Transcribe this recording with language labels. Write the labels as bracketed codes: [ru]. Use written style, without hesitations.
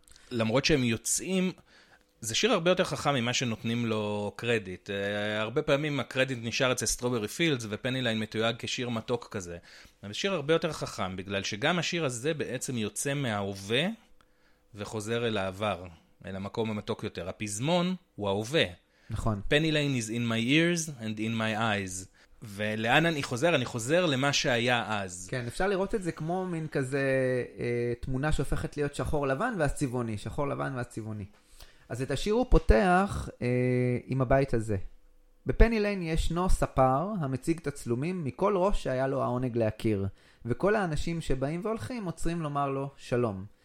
[he] למרות שהם יוצאים, זה שיר הרבה יותר חכם ממה שנותנים לו קרדיט. הרבה פעמים הקרדיט נשאר אצל סטרוברי פילדס ופני ליין מתויג כשיר מתוק כזה. אבל שיר הרבה יותר חכם בגלל שגם השיר הזה בעצם יוצא מההווה וחוזר אל העבר, אל המקום המתוק יותר. הפזמון הוא ההווה. נכון. [en] Penny Lane is in my ears and in my eyes. [he] ולאן אני חוזר? אני חוזר למה שהיה אז. כן, אפשר לראות את זה כמו מין כזה תמונה שהופכת להיות שחור לבן ואז צבעוני, שחור לבן ואז צבעוני. אז את השיר הוא פותח עם הבית הזה. בפני ליין ישנו ספר המציג תצלומים מכל ראש שהיה לו העונג להכיר, וכל האנשים שבאים והולכים עוצרים לומר לו שלום.